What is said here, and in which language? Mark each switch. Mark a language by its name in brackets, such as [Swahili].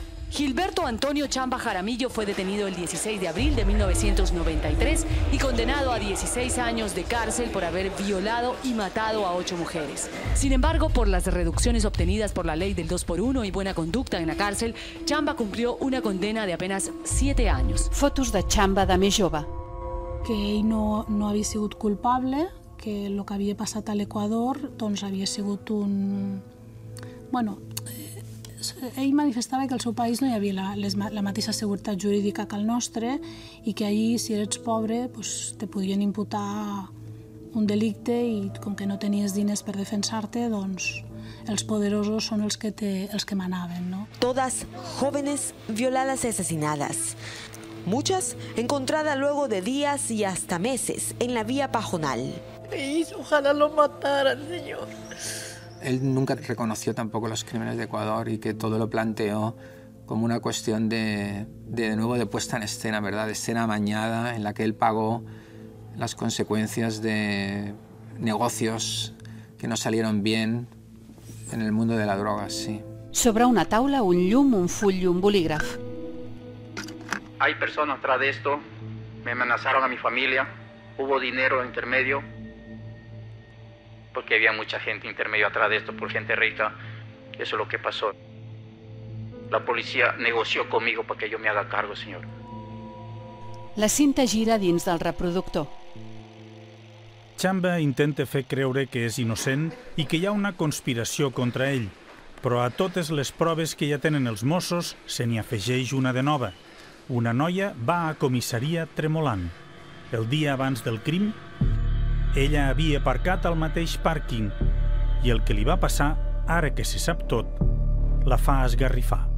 [Spanish] Gilberto Antonio Xamba Jaramillo fue detenido el 16 de abril de 1993 y condenado a 16 años de cárcel por haber violado y matado a 8 mujeres. Sin embargo, por las reducciones obtenidas por la ley del 2x1 y buena conducta en la cárcel, Xamba cumplió una condena de apenas 7 años. [Catalan] Fotos de Xamba de més jove. Que ell no havia sigut culpable, que el que havia passat a l'Equador doncs havia sigut un... Bueno, ell manifestava que al seu país no hi havia la mateixa seguretat jurídica que el nostre i que allí, si eres pobre, pues, te podien imputar un delicte i com que no tenies diners per defensar-te, doncs els poderosos són els que manaven. No? [Spanish] Todas jóvenes violadas y asesinadas. Muchas encontradas luego de días y hasta meses en la vía pajonal. Ojalá lo mataran, señor. Él nunca reconoció tampoco los crímenes de Ecuador y que todo lo planteó como una cuestión de nuevo de puesta en escena, ¿verdad? De escena amañada en la que él pagó las consecuencias de negocios que no salieron bien en el mundo de la droga, sí. [Catalan] Sobre una taula, un llum, un full y un bolígraf. [Spanish] Hay personas atrás de esto, me amenazaron a mi familia, hubo dinero en intermedio. Porque había mucha gente intermedio atrás de esto, por gente rica. Eso es lo que pasó. La policía negoció conmigo para que yo me haga cargo, señor. [Catalan] La cinta gira dins del reproductor. Xamba intenta fer creure que és innocent i que hi ha una conspiració contra ell. Però a totes les proves que ja tenen els Mossos, se n'hi afegeix una de nova. Una noia va a comissaria tremolant. El dia abans del crim, ella havia aparcat al mateix pàrquing i el que li va passar, ara que se sap tot, la fa esgarrifar.